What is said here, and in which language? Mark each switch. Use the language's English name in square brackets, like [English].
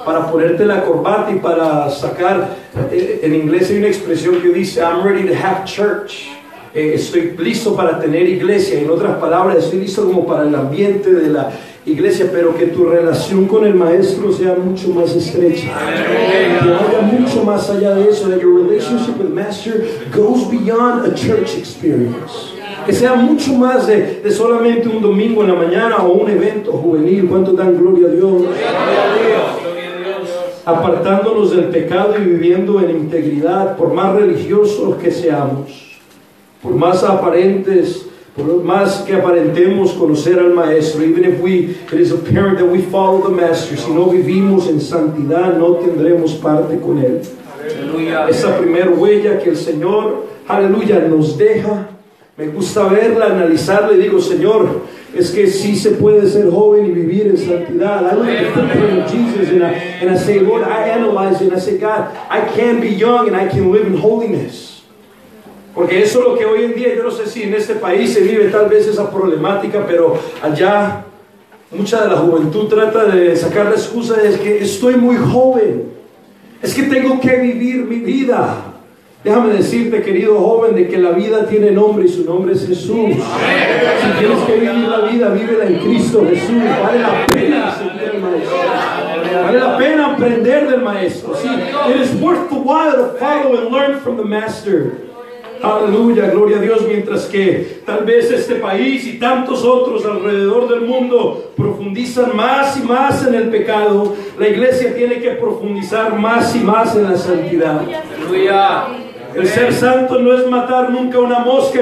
[Spanish] Para ponerte la corbata y para sacar. En inglés hay una expresión que dice [English] I'm ready to have church. [Spanish] Estoy listo para tener iglesia. En otras palabras, estoy listo como para el ambiente de la iglesia, pero que tu relación con el maestro sea mucho más estrecha. Que vaya mucho más allá de eso. [English] That your relationship with master goes beyond a church experience. [Spanish] Que sea mucho más de solamente un domingo en la mañana o un evento juvenil. ¿Cuánto dan gloria a Dios? Apartándonos del pecado y viviendo en integridad, por más religiosos que seamos, por más aparentes, por más que aparentemos conocer al Maestro, [English] even if we, it is apparent that we follow the Master, [Spanish] si no vivimos en santidad, no tendremos parte con Él. Aleluya. Esa primera huella que el Señor, aleluya, nos deja, me gusta verla, analizarla y digo, Señor, es que sí se puede ser joven y vivir en santidad. [English] I look at the footprint of Jesus and I say, Lord, I analyze and I say, God, I can be young and I can live in holiness. [Spanish] Porque eso es lo que hoy en día, yo no sé si en este país se vive tal vez esa problemática, pero allá mucha de la juventud trata de sacar la excusa de que estoy muy joven. Es que tengo que vivir mi vida. Déjame decirte, querido joven, de que la vida tiene nombre y su nombre es Jesús. Si tienes que vivir la vida, vívela en Cristo Jesús. Vale la pena seguir al Maestro. Vale la pena aprender del Maestro. [English] Sí, it is worth the while to follow and learn from the Master. [Spanish] Aleluya, gloria a Dios. Mientras que tal vez este país y tantos otros alrededor del mundo profundizan más y más en el pecado, la iglesia tiene que profundizar más y más en la santidad. Aleluya. El ser santo no es matar nunca una mosca.